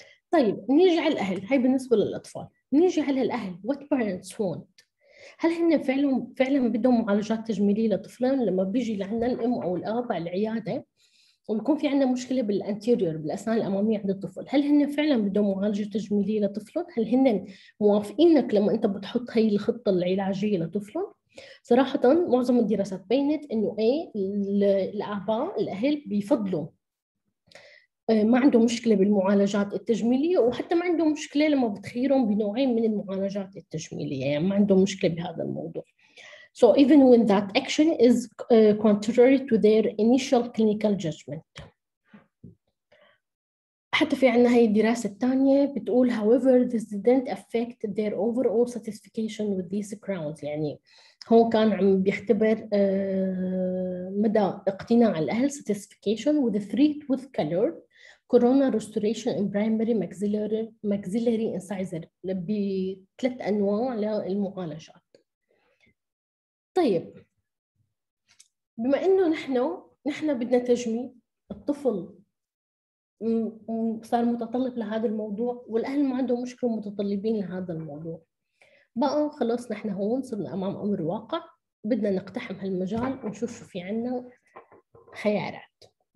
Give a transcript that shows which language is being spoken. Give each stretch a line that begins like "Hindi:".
Arabic: طيب نيجي على الاهل، هاي بالنسبة للاطفال. نيجي على الاهل،
English: what parents want،
Arabic: هل هن فعلا بدهم معالجات تجميلية لطفلهم؟ لما بيجي لعنا الام او الاب على العيادة ويكون في عندنا مشكلة بالأنتيريور بالأسنان الأمامية عند الطفل، هل هن فعلا بدهم معالجة تجميلية لطفلهم؟ هل هن موافقينك لما أنت بتحط هاي الخطة العلاجية لطفلهم؟ صراحة معظم الدراسات بينت أنه الآباء الأهل بيفضلوا ما عنده مشكلة بالمعالجات التجميلية، وحتى ما عنده مشكلة لما بتخيرهم بنوعين من المعالجات التجميلية، يعني ما عنده مشكلة بهذا الموضوع.
English: So even when that action is contrary to their initial clinical judgment.
Arabic: حتى في عنا هاي الدراسة الثانية بتقول
English: however this didn't affect their overall satisfaction with these crowns.
Arabic: يعني هو كان عم بيختبر مدى اقتناع الأهل
English: satisfaction with the treat with color corona restoration in primary maxillary incisor
Arabic: بثلاث أنواع للمعالجات. طيب بما أنه نحن بدنا تجميل الطفل صار متطلب لهذا الموضوع والأهل ما عندهم مشكلة متطلبين لهذا الموضوع، بقى خلاص نحن هون صرنا أمام أمر واقع بدنا نقتحم هالمجال ونشوف في عنا خيارات.